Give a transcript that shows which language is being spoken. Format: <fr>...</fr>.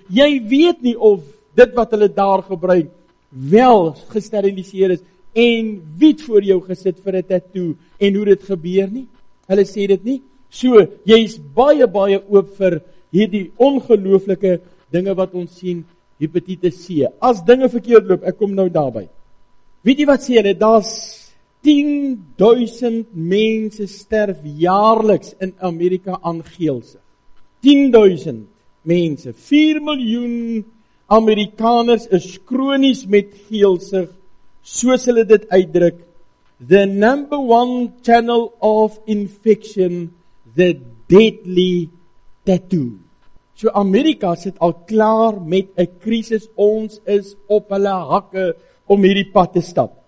<af>Jy weet nie of dit wat hulle daar gebruik wel gesteriliseer is en wie het voor jou gesit vir een tattoo en hoe dit gebeur nie. Hulle sê dit nie. So, jy is baie, baie oop vir hierdie ongelooflike dinge wat ons sien, hepatitis C. As dinge verkeerd loop, ek kom nou daarby. Weet jy wat sê hulle, daar's 10.000 mense sterf jaarliks in Amerika aan geelsig. 10.000 mense, 4 miljoen Amerikaners is kronies met geelsig, soos hulle dit uitdruk.</af> <en>The number one channel of infection, the deadly tattoo.</en> <af>So Amerika sit al klaar met 'n krisis, ons is op hulle hakke om hierdie pad te stap.</af>